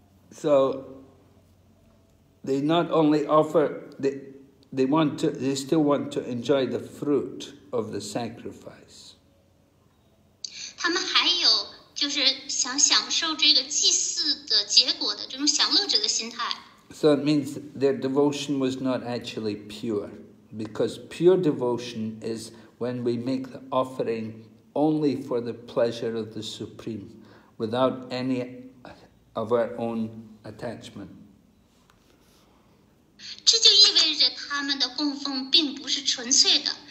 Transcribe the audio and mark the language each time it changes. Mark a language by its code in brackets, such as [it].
[en] So they not only offer they still want to enjoy the fruit of the sacrifice. [zh] 他们还有就是想享受这个祭祀的结果的这种享乐者的心态。 [en] So it means their devotion was not actually pure, because pure devotion is when we make the offering only for the pleasure of the Supreme, without any of our own attachment. [zh] 这就意味着他们的供奉并不是纯粹的。